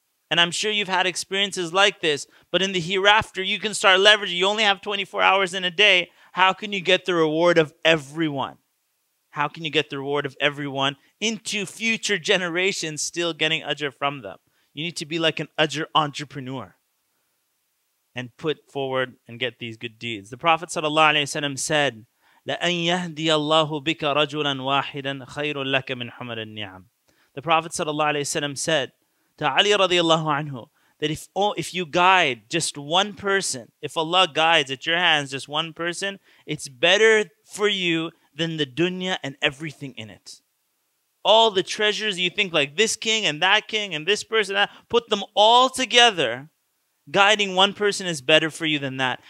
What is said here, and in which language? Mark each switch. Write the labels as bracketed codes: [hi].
[en] And I'm sure you've had experiences like this, but in the hereafter, you can start leveraging. You only have 24 hours in a day. How can you get the reward of everyone? How can you get the reward of everyone into future generations still getting ajr from them? You need to be like an ajr entrepreneur and put forward and get these good deeds. The Prophet [ar] sallallahu alaihi wasallam said, لَأَنْ يَهْدِيَ اللَّهُ بِكَ رَجُلًا وَاحِدًا خَيْرٌ لَكَ مِنْ حُمَرِ النِّعَمِ. [en] The Prophet sallallahu alaihi wasallam said to Ali radiallahu anhu, that if you guide just one person, if Allah guides at your hands just one person, it's better for you than the dunya and everything in it. All the treasures you think, like this king and that king and this person, that, put them all together, guiding one person is better for you than that.